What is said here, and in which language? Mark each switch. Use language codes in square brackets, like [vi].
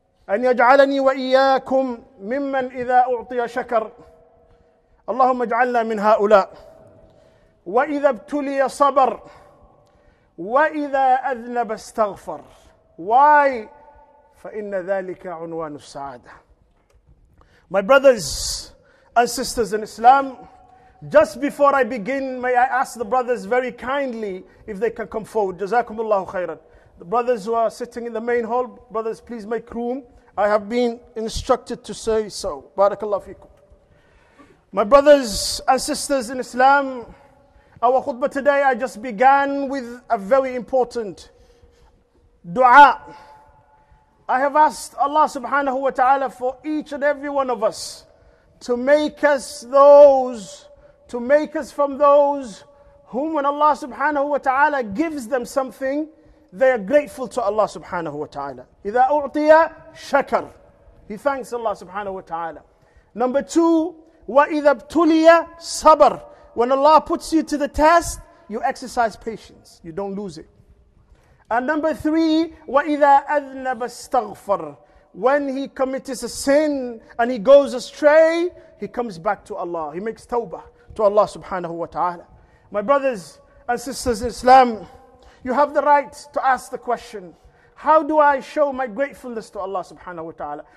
[ar] أن يجعلني وإياكم ممن إذا أعطي شكر اللهم اجعلنا من هؤلاء وإذا ابتلي صبر وإذا أذنب استغفر واي فإن ذلك عنوان السعادة [en] My brothers and sisters in Islam, just before I begin, may I ask the brothers very kindly if they can come forward. Jazakumullahu khairan. The brothers who are sitting in the main hall, brothers, please make room. I have been instructed to say so. Barakallahu fikum. My brothers and sisters in Islam, our khutbah today, I just began with a very important dua. I have asked Allah subhanahu wa ta'ala for each and every one of us to make us those, to make us from those whom when Allah subhanahu wa ta'ala gives them something, they are grateful to Allah subhanahu wa ta'ala. [ar] إذا أعطي شكر. [en] He thanks Allah subhanahu wa ta'ala. Number two, [ar] وإذا ابتلي صبر. [en] When Allah puts you to the test, you exercise patience. You don't lose it. And number three, [ar] وَإِذَا أَذْنَبَ اسْتَغْفَرْ [en] When he commits a sin and he goes astray, he comes back to Allah. He makes tawbah to Allah subhanahu wa ta'ala. My brothers and sisters in Islam, you have the right to ask the question, how do I show my gratefulness to Allah subhanahu wa ta'ala?